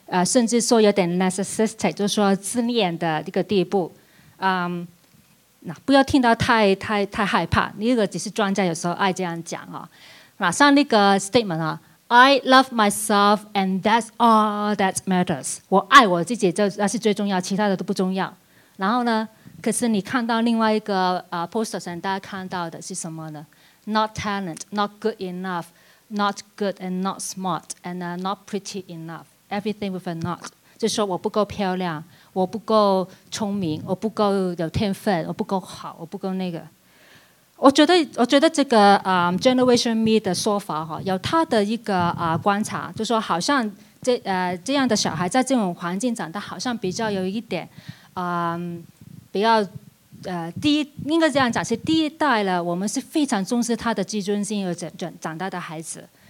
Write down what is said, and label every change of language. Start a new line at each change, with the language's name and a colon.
Chinese: 甚至说有点 narcissistic， 就是说自恋的一个地步，不要听到太害怕，那个只是专家有时候爱这样讲啊。马上那个 statement 啊 ，
English: I love myself and that's all that matters，
Chinese: 我爱我自己，就那是最重要，其他的都不重要。然后呢，可是你看到另外一个poster 上大家看到的是什么呢 ？
English: Not talent， not good enough， not good and not smart， and not pretty enough。 Everything with a not，
Chinese: 就说我不够漂亮，我不够聪明，我不够有天分，我不够好，我不够那个。我觉得这个Generation Me 的说法哈，有他的一个观察，就说好像这样的小孩在这种环境长大，好像比较有一点比较第一应该这样讲，是第一代了，我们是非常重视他的自尊心而长大的孩子。